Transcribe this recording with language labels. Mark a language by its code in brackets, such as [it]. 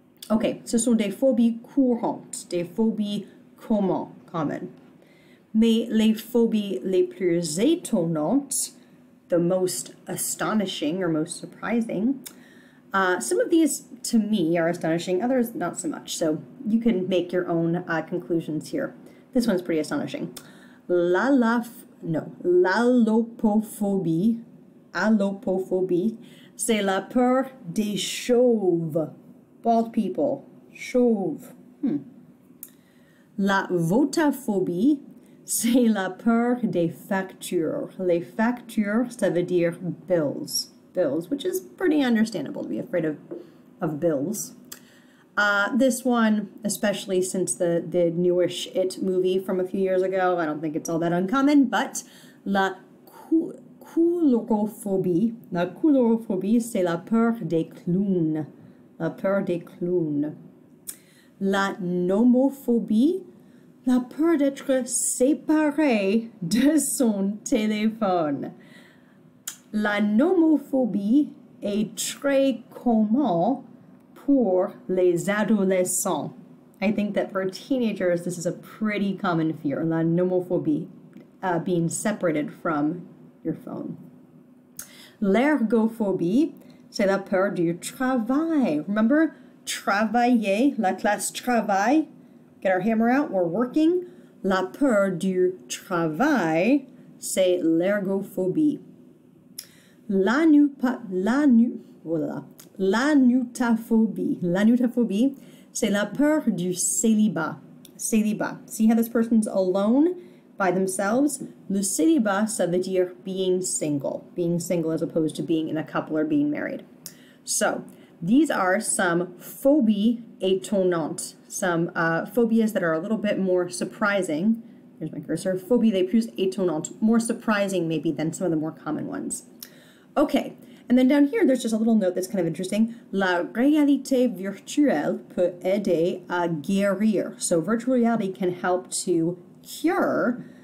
[fr] Okay, ce sont des phobies courantes, des phobies common. Mais les phobies les plus étonnantes, [en] the most astonishing or most surprising, some of these, to me, are astonishing. Others, not so much. So you can make your own conclusions here. This one's pretty astonishing. [fr] L'allopophobie, c'est la peur des chauves. [en] Bald people. [fr] Chauve. La votaphobie, c'est la peur des factures. Les factures, ça veut dire bills. [en] Bills, which is pretty understandable to be afraid of bills. This one, especially since the newish It movie from a few years ago, I don't think it's all that uncommon, but [fr] la coulrophobie, c'est la peur des clowns. La peur des clowns. La nomophobie, la peur d'être séparé de son téléphone. La nomophobie est très commun pour les adolescents. [en] I think that for teenagers, this is a pretty common fear, la nomophobie, being separated from your phone. [fr] L'ergophobie, c'est la peur du travail. [en] Remember, travailler, la classe travail, get our hammer out, we're working. [fr] La peur du travail, c'est l'ergophobie. L'anutaphobie, c'est la peur du célibat. Célibat. [en] See how this person's alone by themselves? [fr] Le célibat, ça veut dire [en] being single. Being single as opposed to being in a couple or being married. So, these are some phobies étonnantes. Some phobias that are a little bit more surprising. Here's my cursor. [fr] Phobies les plus étonnantes. [en] More surprising maybe than some of the more common ones. Okay, and then down here, there's just a little note that's kind of interesting. [fr] La réalité virtuelle peut aider à guérir. [en] So virtual reality can help to cure